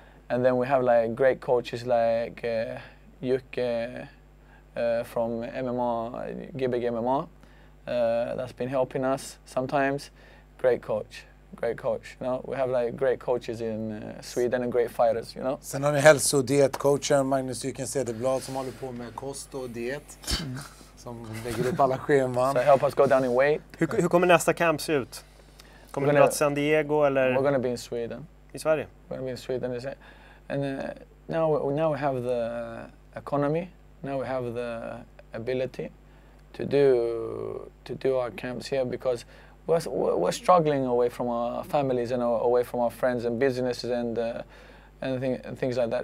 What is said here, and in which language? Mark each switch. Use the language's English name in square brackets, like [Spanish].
[English] And then we have like great coaches like Jukke. From MMA, Gibbig MMA, that's been helping us sometimes. Great coach. You know, we have like great coaches in Sweden and great fighters. You know. [Swedish] Sen har ni hälso- och dietcoacher Magnus Jukens Edelblad som håller på med kost och diet, som lägger upp alla scheman. [English] So help us go down in weight. [Swedish] Hur kommer nästa camp se ut? Kommer ni att San Diego eller? [English] We're gonna be in Sweden. [Swedish] I Sverige. [English] We're gonna be in Sweden. Is it? And now we have the economy. Now we have the ability to do our camps here because we're struggling away from our families and away from our friends and businesses and things like that.